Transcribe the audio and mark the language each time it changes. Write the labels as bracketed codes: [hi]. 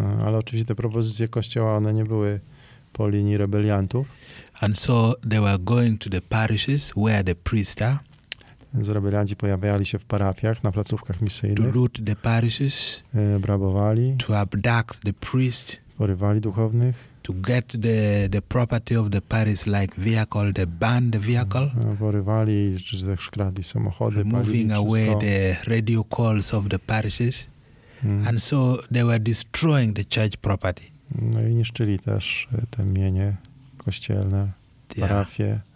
[pl] Ale oczywiście te propozycje kościoła, one nie były po linii rebeliantów. [en] And so they were going to the parishes where the priests are. [pl] Więc rebelianci pojawiali się w parafiach, na placówkach misyjnych. [en] To loot the parishes. [pl] Brabowali. [en] To abduct the priests. [pl] Porywali duchownych. [en] To get the property of the parish, like vehicle, the banned vehicle. [pl] Porywali, czy skradli samochody. [en] Moving away the radio calls of the parishes. And so they were destroying the church property. [pl] No i niszczyli też te mienie kościelne, parafie.